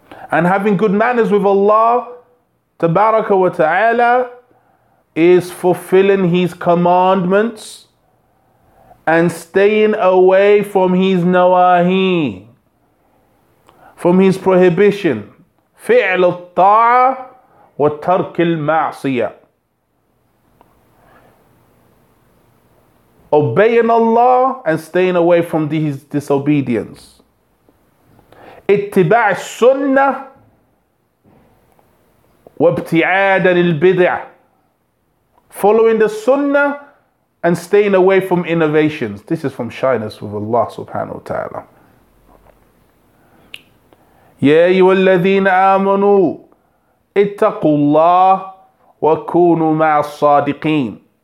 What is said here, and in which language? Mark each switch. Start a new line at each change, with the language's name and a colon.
English: And having good manners with Allah tabaraka wa ta'ala is fulfilling His commandments and staying away from His nawahi, from His prohibition.
Arabic: فعل الطاعة وترك المعصية.
English: Obeying Allah and staying away from His disobedience.
Arabic: اتباع السنة وابتعاد عن البدع.
English: Following the sunnah and staying away from innovations. This is from shyness with Allah subhanahu wa ta'ala.
Arabic: Ya ayyuhal ladhina amanu, ittaqullah wa kunu ma'as sadiqeen.